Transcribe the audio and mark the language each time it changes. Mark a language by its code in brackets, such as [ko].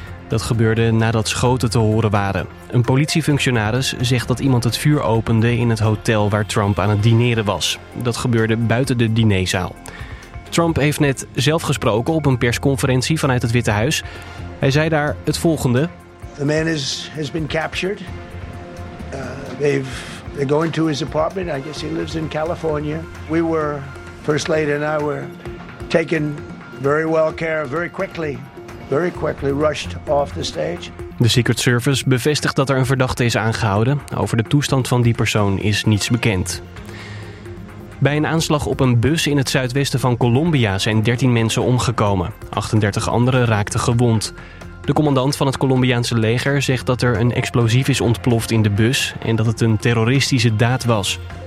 [nl] Dat gebeurde nadat schoten te horen waren. Een politiefunctionaris zegt dat iemand het vuur opende in het hotel waar Trump aan het dineren was. Dat gebeurde buiten de dinerzaal. Trump heeft net zelf gesproken op een persconferentie vanuit het Witte Huis. Hij zei daar het volgende: [en] "The man has been captured. They're going to his apartment. I guess he lives in California. We were first lady and I were taken very well care, very quickly rushed off the stage." [nl] De Secret Service bevestigt dat er een verdachte is aangehouden. Over de toestand van die persoon is niets bekend. Bij een aanslag op een bus in het zuidwesten van Colombia zijn 13 mensen omgekomen. 38 anderen raakten gewond. De commandant van het Colombiaanse leger zegt dat er een explosief is ontploft in de bus en dat het een terroristische daad was.